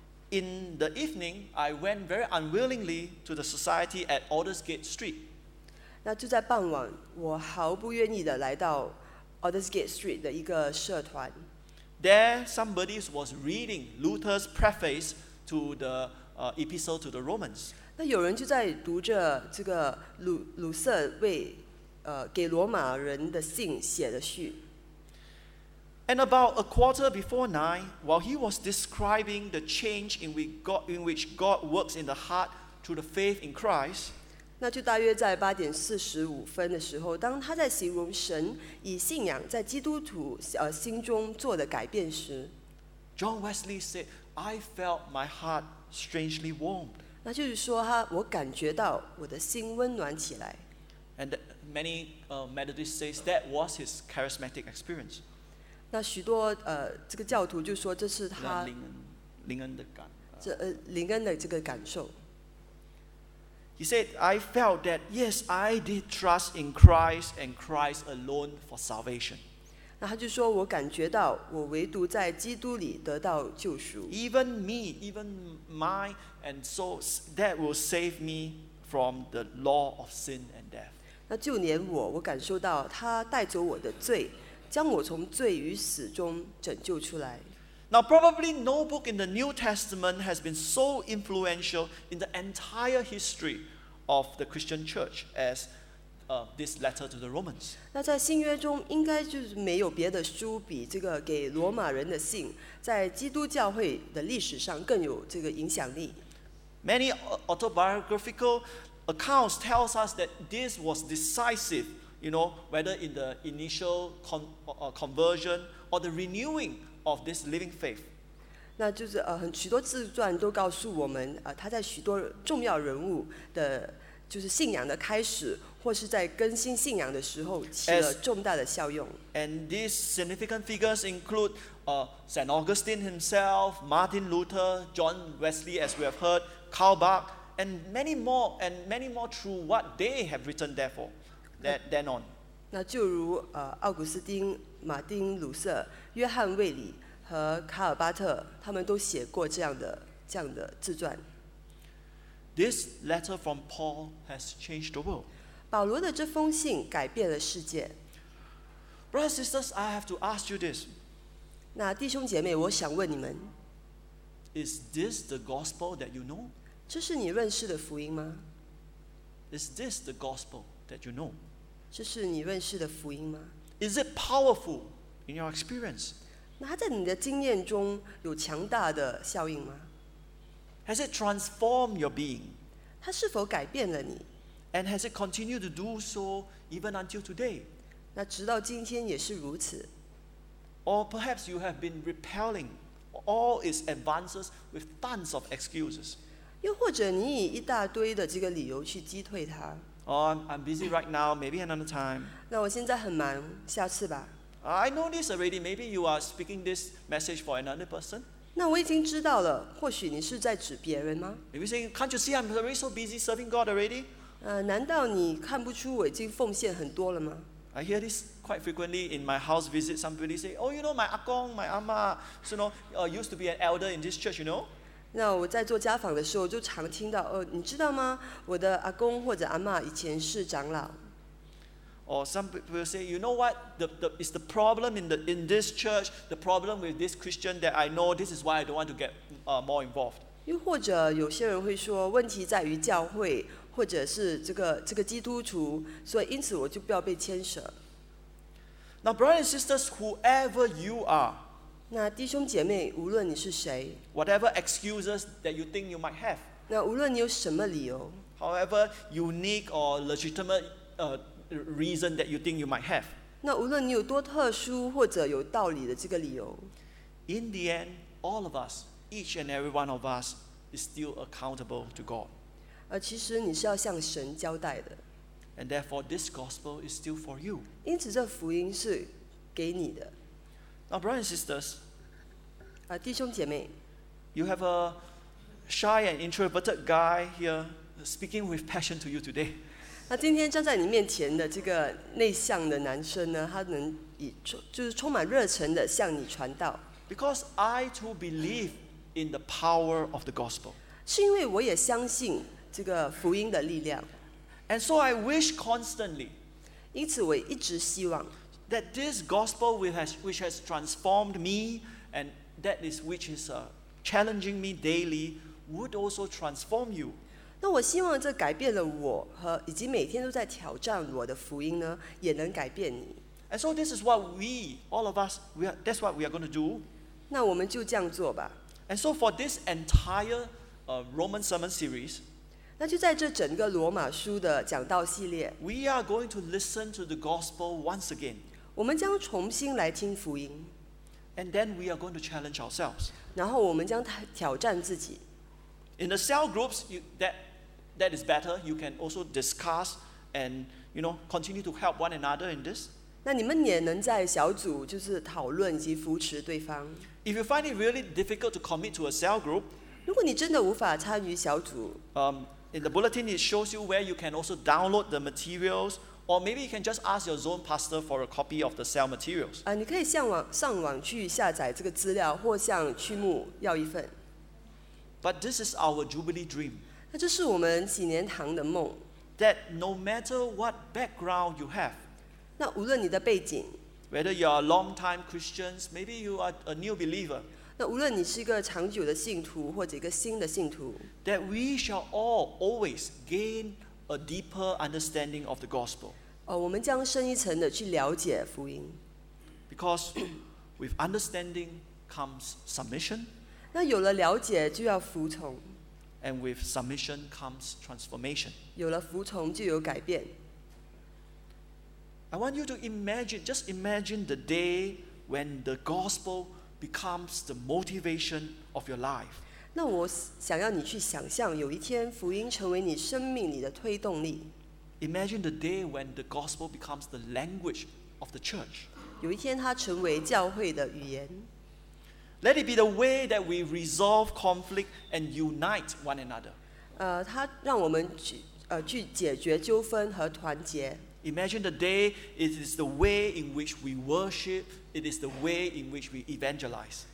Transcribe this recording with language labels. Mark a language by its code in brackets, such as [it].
[en] In the evening, I went very unwillingly to the society at Aldersgate Street. [zh] 那就在傍晚，我毫不愿意的来到 Aldersgate Street 的一个社团。 [en] There, somebody was reading Luther's preface to the Epistle to the Romans. [zh] 那有人就在读着这个鲁瑟为给罗马人的信写的序。 [en] And about a quarter before nine, while he was describing the change in which God works in the heart through the faith in Christ, [zh] 那就大约在八点四十五分的时候，当他在形容神以信仰在基督徒心中做的改变时 [en] ，John Wesley said, "I felt my heart strangely warmed." [zh] 那就是说他，我感觉到我的心温暖起来。 [en] And many Methodists say that was his charismatic experience. [zh] 那许多这个教徒就说这是他灵恩的感受。 [en] He said, I felt that, yes, I did trust in Christ and Christ alone for salvation. [zh] 那他就说我感觉到我唯独在基督里得到救赎。 [en] Even me, even my, and so that will save me from the law of sin and death. [zh] 那就连我感受到他带走我的罪，将我从罪与死中拯救出来。 [en] Now, probably no book in the New Testament has been so influential in the entire history of the Christian Church as this letter to the Romans. [zh] 那在新约中应该就是没有别的书比这个给罗马人的信在基督教会的历史上更有这个影响力。 [en] Many autobiographical accounts tell us that this was decisive, you know, whether in the initial conversion or the renewing. Of this living faith, [zh] 那就是许多自传都告诉我们他在许多重要人物的，就是信仰的开始，或是在更新信仰的时候起了重大的效用。 [en] And these significant figures include Saint Augustine himself, Martin Luther, John Wesley, as we have heard, Karl Barth, and many more through what they have written. Therefore, then on. [zh] 那就如奥古斯丁、马丁·鲁瑟。约翰·卫理和卡尔巴特，他们都写过这样的自传。 [en] This letter from Paul has changed the world. [zh] 保罗的这封信改变了世界。 [en] Brothers and sisters, I have to ask you this. [zh] 那弟兄姐妹，我想问你们 [en] ：Is this the gospel that you know? [zh] 这是你认识的福音吗 [en] ？Is this the gospel that you know? [zh] 这是你认识的福音吗 [en] ？Is it powerful? In your experience, [zh] 那它在你的经验中有强大的效应吗 [en] ？Has it transformed your being? [zh] 它是否改变了你 [en] ？And has it continued to do so even until today? [zh] 那直到今天也是如此。 [en] Or perhaps you have been repelling all its advances with tons of excuses. [zh] 又或者你以一大堆的这个理由去击退它 [en] ？Oh, I'm busy right now. Maybe another time. [zh] 那我现在很忙，下次吧。 [en] I know this already. Maybe you are speaking this message for another person. [zh] 那我已经知道了。或许你是在指别人吗 [en] ？Maybe saying, "Can't you see I'm already so busy serving God already?" [zh] 难道你看不出我已经奉献很多了吗 [en] ？I hear this quite frequently in my house visit. Somebody say, "Oh, you know, my 阿公、my 阿妈 so you know, used to be an elder in this church, you know." [zh] 那我在做家访的时候就常听到，你知道吗？我的阿公或者阿妈以前是长老。 [en] Or some people say, you know what, it's the problem in this church, the problem with this Christian that I know, this is why I don't want to get more involved. [zh] 又或者有些人会说，问题在于教会，或者是这个基督徒，所以因此我就不要被牵涉。 [en] Now, brothers and sisters, whoever you are, [zh] 那弟兄姐妹，无论你是谁， [en] whatever excuses that you think you might have, [zh] 那无论你有什么理由， [en] however unique or legitimate, reason that you think you might have. [zh] 那无论你有多特殊或者有道理的这个理由。 [en] In the end, all of us, each and every one of us, is still accountable to God. [zh] 其实你是要向神交代的。 [en] And therefore, this gospel is still for you. [zh] 因此这福音是给你的。 [en] Now, brothers and sisters, [zh] 弟兄姐妹， [en] you have a shy and introverted guy here speaking with passion to you today. [zh] 那今天站在你面前的这个内向的男生呢，他能以就是充满热忱的向你传道。 [en] Because I too believe in the power of the gospel. [zh] 是因为我也相信这个福音的力量。 [en] And so I wish constantly. [zh] 因此我一直希望。 [en] That this gospel which has transformed me and that is which is challenging me daily would also transform you. [zh] 那我希望这改变了我和以及每天都在挑战我的福音呢，也能改变你。 [en] And so this is what we, all of us, we are, that's what we are going to do. [zh] 那我们就这样做吧。 [en] And so for this entire Roman sermon series, [zh] 那就在这整个罗马书的讲道系列。 [en] We are going to listen to the gospel once again. [zh] 我们将重新来听福音。 [en] And then we are going to challenge ourselves. [zh] 然后我们将挑战自己。 [en] In the cell groups, that is better. You can also discuss and, you know, continue to help one another in this. [zh] 那你们也能在小组就是讨论及扶持对方。 [en] If you find it really difficult to commit to a cell group, [zh] 如果你真的无法参与小组， [en] In the bulletin, it shows you where you can also download the materials, or maybe you can just ask your zone pastor for a copy of the cell materials. [zh] 你可以上网去下载这个资料，或向区牧要一份。 [en] But this is our Jubilee dream. [zh] 那这是我们禧年堂的梦。 [en] That no matter what background you have, [zh] 那无论你的背景， [en] whether you are a long-time Christians, maybe you are a new believer, [zh] 那无论你是一个长久的信徒或者一个新的信徒， [en] that we shall all always gain a deeper understanding of the gospel. [zh] 我们将深一层的去了解福音。 [en] Because with understanding comes submission. [zh] 那有了了解就要服从。 [en] And with submission comes transformation. [zh] 有了服从就有改变。 [en] I want you to imagine, just imagine the day when the gospel becomes the motivation of your life. [zh] 那我想要你去想象有一天福音成为你生命里的推动力。 [en] Imagine the day when the gospel becomes the language of the church. [zh] 有一天它成为教会的语言。 [en] Let it be the way that we resolve conflict and unite one another. [zh] 它让我们去解决纠纷和团结。 [en] Imagine the day it is the way in which we worship, it is the way in which we evangelize.